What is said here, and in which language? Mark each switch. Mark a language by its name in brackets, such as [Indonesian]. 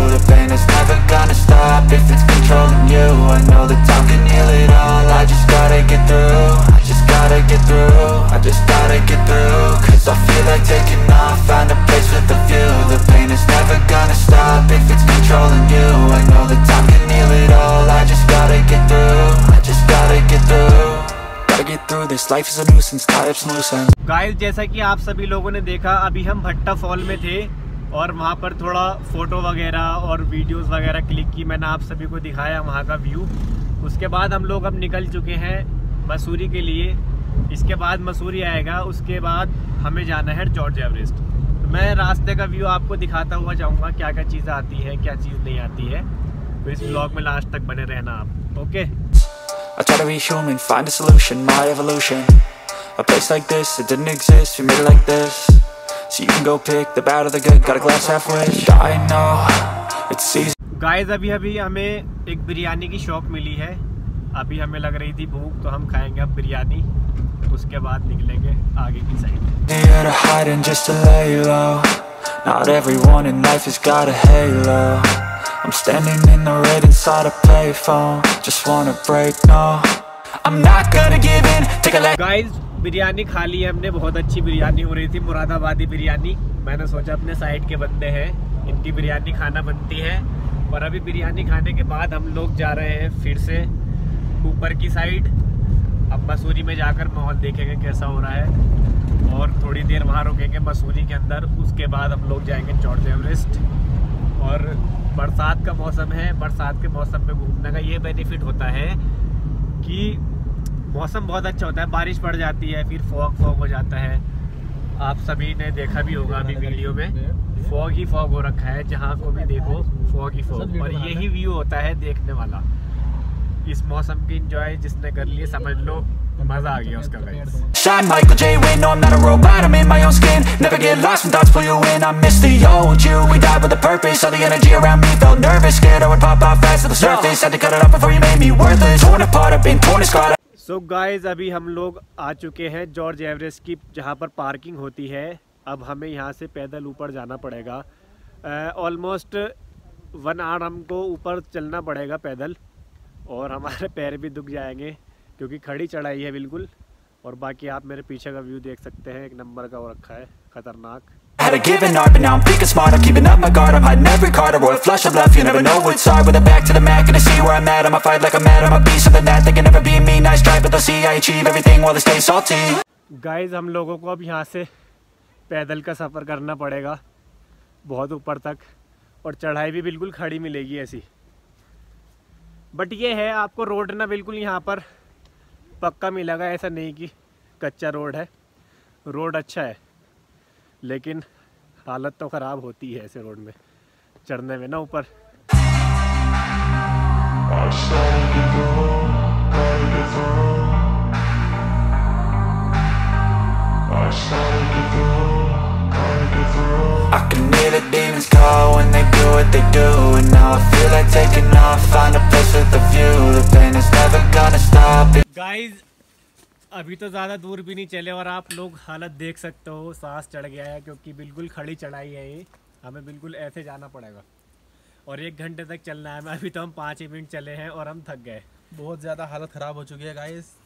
[English] The pain is never gonna stop if it's controlling you. I know the time can heal it all, I just gotta get through. I just gotta get through, I just gotta get through. Cause I feel like taking off, find a place with a view. The pain is never gonna stop if it's controlling you. I know the time can heal it all, I just gotta get through. I just gotta get through. [Hindi] Guys, जैसा कि आप सभी लोगों ने देखा, अभी हम भट्टा फॉल में थे और वहाँ पर थोड़ा फोटो वगैरह और वीडियोस वगैरह क्लिक की. मैंने आप सभी को दिखाया वहाँ का व्यू. उसके बाद हम लोग अब निकल चुके हैं मसूरी के लिए. इसके बाद मसूरी आएगा, उसके बाद हमें जाना है जॉर्ज एवरेस्ट. तो मैं रास्ते का व्यू आपको दिखाता हुआ जाऊँगा, क्या क्या चीज़ आती है, क्या चीज़ नहीं आती है. तो इस व्लॉग में लास्ट तक बने रहना आप, okay? [English] I try to be human, find a solution, my evolution. A place like this, it didn't exist, we made it like this. So you can go pick the bad or the good, got a glass half wish, I know, it's easy. [Hindi] Guys, अभी हमें एक बिरयानी की shop मिली है. अभी हमें लग रही थी भूख, तो हम खाएंगे अब बिरयानी, उसके बाद निकलेंगे आगे की side. [English] Here to hide and just to lay low. Not everyone in life has got a halo. I'm standing in the red inside a payphone. Just wanna break, no. I'm not gonna give in. Take a look. [Hindi] Guys, biryani kha li humne. Bahut achhi biryani ho rahi thi, Muradabadi biryani. Maine socha apne side ke bande hain, inki biryani khana banti hai. Aur abhi biryani khane ke baad hum log ja rahe hain fir se upar ki side. Ab Masuri mein jaakar mahol dekhenge kaisa ho raha hai. Aur thodi der wahan rukenge Masuri ke andar. Uske baad hum log jayenge George Everest. Aur बरसात का मौसम है, बरसात के मौसम में घूमने का ये बेनिफिट होता है कि मौसम बहुत अच्छा होता है, बारिश पड़ जाती है, फिर फॉग फॉग हो जाता है. आप सभी ने देखा भी होगा अभी वीडियो में, फॉग ही फॉग हो रखा है, जहाँ को भी देखो फॉग ही फॉग. और यही व्यू होता है देखने वाला. इस मौसम की इंजॉय जिसने कर लिए, समझ लो [English] Shine Michael J. Wynn, no I'm not a robot, I'm in my own skin. Never get lost when thoughts pull you in. I miss the old you, we died with a purpose. All the energy around me felt nervous. Scared I would pop out fast to the surface. Had to cut it off before you made me worthless. Torn apart, I've been torn and scarred. [Hindi] So guys, अभी हम लोग आ चुके हैं George Everest की, जहाँ पर parking होती है. अब हमें यहाँ से पैदल ऊपर जाना पड़ेगा, ऑलमोस्ट 1 आवर हमको ऊपर चलना पड़ेगा पैदल, और हमारे पैर भी दुख जाएंगे क्योंकि खड़ी चढ़ाई है बिल्कुल। और बाकी आप मेरे पीछे का व्यू देख सकते हैं, एक नंबर का वो रखा है, खतरनाक। [English] Had a given heart, but now I'm thinking smart. I'm keeping up my guard, I'm hiding every card. A royal flush of love, you never know what's hard. With a back to the mat, gonna see where I'm at. I'ma fight like I'm mad, I'ma be something that they can never be me. Nice try, but they'll see I achieve everything while they stay salty. [Hindi] Guys, हम लोगों को अब यहाँ से पैदल का सफर करना पड़ेगा बहुत ऊपर तक, और चढ़ाई भी बिल्कुल खड़ी मिलेगी ऐसी। बट ये है, आपको रोड ना बिल्कुल यहाँ पर पक्का मिलेगा, ऐसा नहीं कि कच्चा रोड है, रोड अच्छा है, लेकिन हालत तो ख़राब होती है ऐसे रोड में चढ़ने में ना ऊपर। [English] I can hear the demons call when they do what they do. And now I feel like taking off, find a place with a view. The pain is never gonna stop. [Hindi] Guys, अभी तो ज़्यादा दूर भी नहीं चले, और आप लोग हालत देख सकते हो, सांस चढ़ गया है क्योंकि बिल्कुल खड़ी चढ़ाई है ये, हमें बिल्कुल ऐसे जाना पड़ेगा और 1 घंटे तक चलना है। अभी तो हम 5 ही मिनट चले हैं और हम थक गए, बहुत ज़्यादा हालत ख़राब हो चुकी है गाइस।